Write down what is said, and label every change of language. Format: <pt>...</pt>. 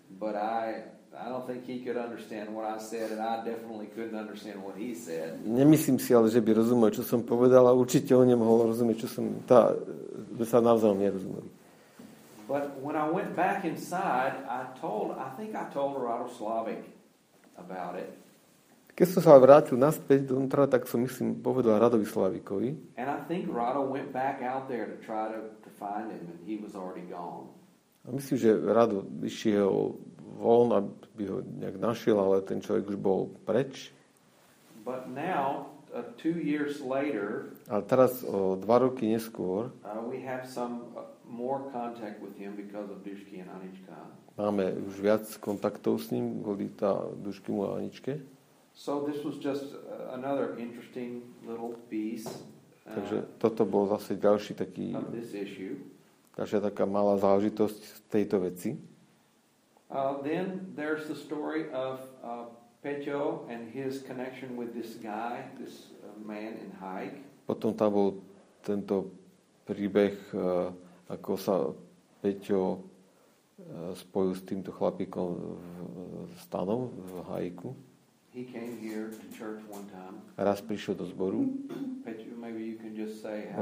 <en>But I don't think he could understand what I said, and I definitely couldn't understand what he said.</en> <sk>Nemyslím si ale, že by rozumel, čo som povedal, a určite on nemohol rozumieť, čo som že sa navzájom nerozumeli.</sk> <en>But when I went back inside, I think I told Radoslavik about it.</en> <sk>Keď som sa vrátil naspäť do vnútra, tak som myslím povedal Radovi Slavikovi.</sk> <en>And I think Rado went back out there to try to find him, and he was already gone.</en> <sk>A myslím, že Rado išiel von, aby ho nejak našiel, ale ten človek už bol preč.</sk> <en>But now, 2 years later,</en> <sk>ale teraz o 2 roky neskôr,</sk> <en>we have some more contact with him because of Dušky and Anička.</en> <sk>Máme už viac kontaktov s ním, kvôli tá Dušky mu a Aničke.</sk> <en>So this was just another interesting little piece.</en> <sk>Takže toto bol zase ďalší taký ďalšia taká malá záležitosť tejto veci.</sk> <en>Then there's the story of Peťo and his connection with this guy, this man in hike.</en> <sk>Potom tam bol tento príbeh, ako sa Peťo spojil s týmto chlapíkom stanom v hajku.</sk> <en>He came here to church one time.</en> <sk>Raz prišiel do zboru.</sk> <en>Maybe you can just say how.</en>